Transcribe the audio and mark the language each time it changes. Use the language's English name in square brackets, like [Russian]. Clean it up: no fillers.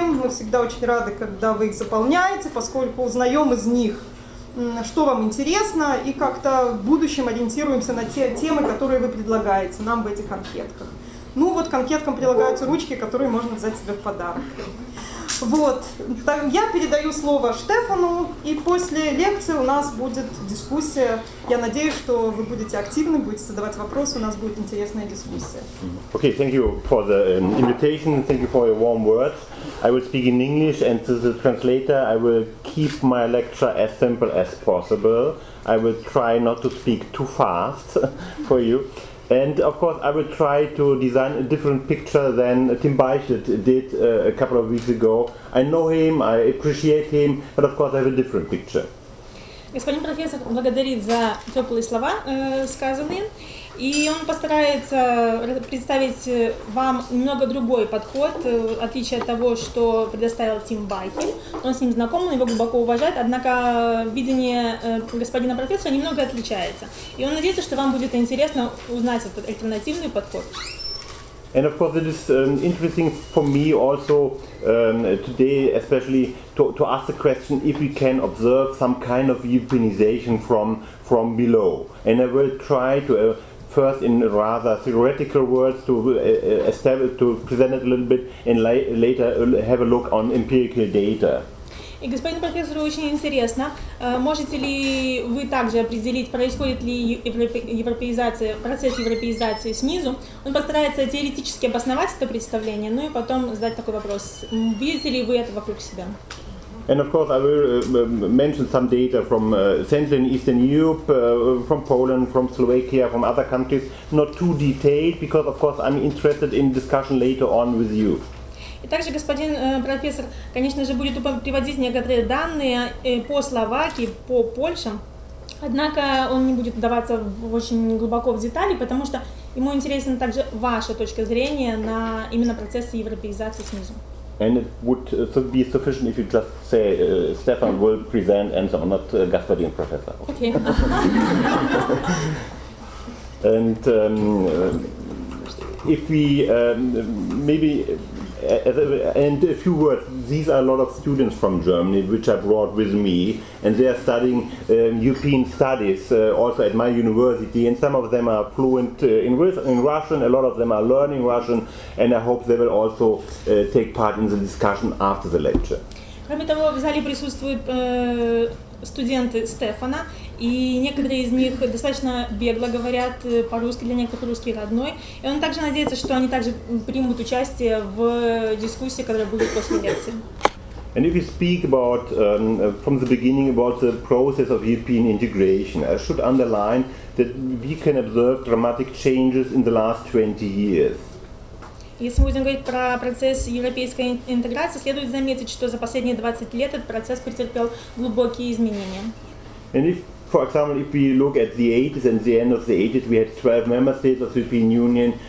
[Russian] Мы всегда очень рады, когда вы их заполняете, поскольку узнаем из них, что вам интересно, и как-то в будущем ориентируемся на те темы, которые вы предлагаете нам в этих анкетках. Ну вот к анкеткам прилагаются ручки, которые можно взять себе в подарок. Вот, так, я передаю слово Штефану, и после лекции у нас будет дискуссия. Я надеюсь, что вы будете активны, будете задавать вопросы, у нас будет интересная дискуссия. [English] Okay, thank you for the invitation, thank you for your warm words. I will speak in English, and to the translator, I will keep my lecture as simple as possible. I will try not to speak too fast for you. And of course, I will try to design a different picture than Tim Beichert did a couple of weeks ago. I know him, I appreciate him, but of course, I have a different picture. [Russian] Господин профессор благодарит за теплые слова, сказанные, и он постарается представить вам немного другой подход, отличие от того, что предоставил Тим Байхель. Он с ним знаком, он его глубоко уважает, однако видение господина профессора немного отличается. И он надеется, что вам будет интересно узнать этот альтернативный подход. [English] And of course, it is interesting for me also today, especially to ask the question if we can observe some kind of Europeanization from below. And I will try to first, in rather theoretical words, to present it a little bit, and later have a look on empirical data. [Russian] И господин профессор, очень интересно, можете ли вы также определить, происходит ли процесс европеизации снизу? Он постарается теоретически обосновать это представление, ну и потом задать такой вопрос. Видите ли вы это вокруг себя? [English] And of course, I will mention some data from Central and Eastern Europe, from Poland, from Slovakia, from other countries, not too detailed, because of course I'm interested in discussion later on with you. [Russian] И также господин профессор, конечно же, будет приводить некоторые данные по Словакии, по Польше, Однако он не будет вдаваться очень глубоко в детали, потому что ему интересна также ваша точка зрения на именно процессы европеизации снизу. [English] And it would be sufficient if you just say Stefan will present and so on, not [Russian] Gasparin professor. [English] Okay. And if we maybe and a few words. These are a lot of students from Germany, which I brought with me, and they are studying European studies also at my university. And some of them are fluent in Russian. A lot of them are learning Russian, and I hope they will also take part in the discussion after the lecture. [Russian] Кроме того, в зале присутствуют студенты Стефана, и некоторые из них достаточно бегло говорят по-русски, для некоторых русский родной. И он также надеется, что они также примут участие в дискуссии, которая будет после лекции. [English] And if you speak about from the beginning about the process of European integration, I should underline that we can observe dramatic changes in the last 20 years. [Russian] Если мы будем говорить про процесс европейской интеграции, следует заметить, что за последние 20 лет этот процесс претерпел глубокие изменения. [English] And if, for example, if we look at the 80s and the end of the 80s, we had 12 member states of the European Union.